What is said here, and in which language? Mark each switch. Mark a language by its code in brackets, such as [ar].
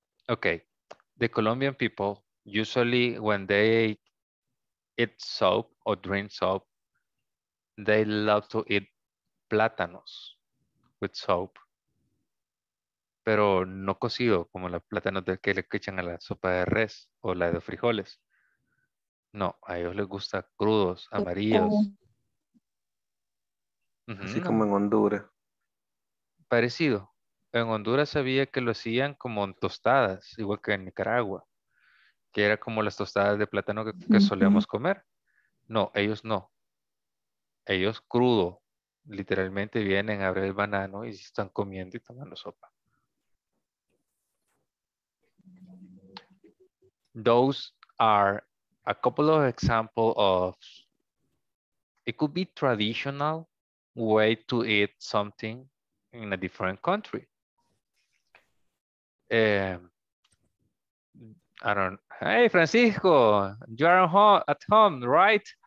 [en] Okay, the Colombian people usually when they eat soup or drink soup, they love to eat plátanos with soup. [es] Pero no cocido, como los plátanos que le echan a la sopa de res o la de frijoles. No, a ellos les gusta crudos, amarillos. Así como en Honduras. Parecido. En Honduras sabía que lo hacían como en tostadas, igual que en Nicaragua. Que era como las tostadas de plátano que solíamos comer. No, ellos no. Ellos crudo, literalmente vienen, abren el banano y están comiendo y tomando sopa. [en] Those are a couple of examples of, it could be traditional way to eat something in a different country. I don't, hey Francisco, you are at home, right?